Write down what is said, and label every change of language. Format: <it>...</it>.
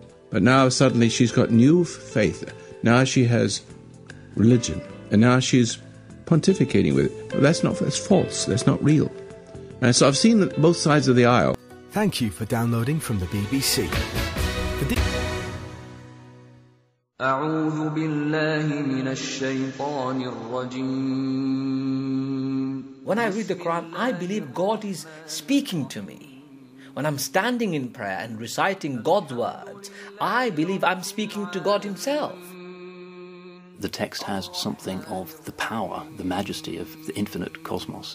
<en>But now suddenly she's got new faith. Now she has religion, and now she's pontificating with it. But that's false. That's not real. And so I've seen both sides of the aisle. Thank you for downloading from the BBC.</en> <ar>أعوذ بالله من الشيطان الرجيم.</ar> <en>When I read the Quran, I believe God is speaking to me. When I'm standing in prayer and reciting God's words, I believe I'm speaking to God Himself. The text has something of the power, the majesty of the infinite cosmos.</en>